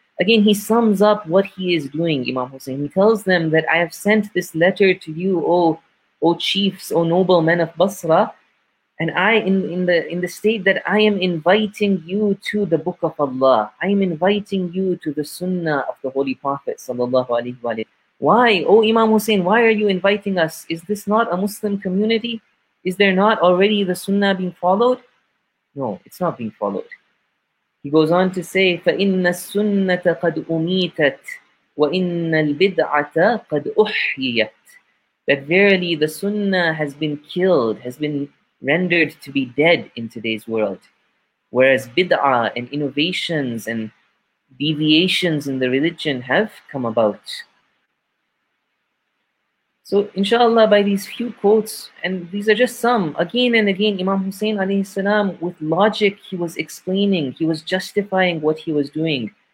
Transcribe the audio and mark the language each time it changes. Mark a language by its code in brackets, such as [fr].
[en] Again, he sums up what he is doing, Imam Hussein. He tells them that I have sent this letter to you, O chiefs, O noble men of Basra, and I, in the state that I am inviting you to the Book of Allah, I am inviting you to the Sunnah of the Holy Prophet, [ar] sallallahu alaihi wasallam. [en] Why, O Imam Hussein, why are you inviting us? Is this not a Muslim community? Is there not already the Sunnah being followed? No, it's not being followed. [ar] He goes on to say, فَإِنَّ السُّنَّةَ قَدْ أُمِيتَتْ وَإِنَّ الْبِدْعَةَ قَدْ أُحْيَتْ. [en] That verily the Sunnah has been killed, has been rendered to be dead in today's world. Whereas bid'ah and innovations and deviations in the religion have come about. So inshallah, by these few quotes, and these are just some, again and again, Imam Hussein [ar] alayhi salam, [en] with logic, he was explaining, he was justifying what he was doing.